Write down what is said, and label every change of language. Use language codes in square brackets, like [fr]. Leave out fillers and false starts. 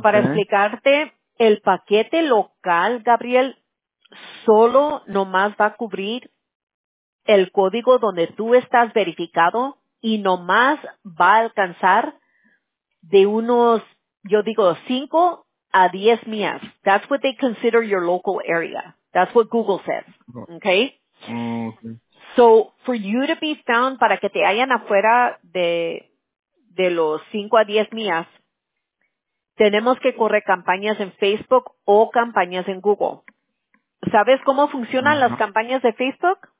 [es] Para explicarte, el paquete local, Gabriel, solo nomás va a cubrir el código donde tú estás verificado y nomás va a alcanzar de unos, yo digo, 5 a 10 millas. [en] That's what they consider your local area. That's what Google says. Okay? So, for you to be found, [es] para que te hayan afuera de los 5 a 10 millas, tenemos que correr campañas en Facebook o campañas en Google. ¿Sabes cómo funcionan las campañas de Facebook?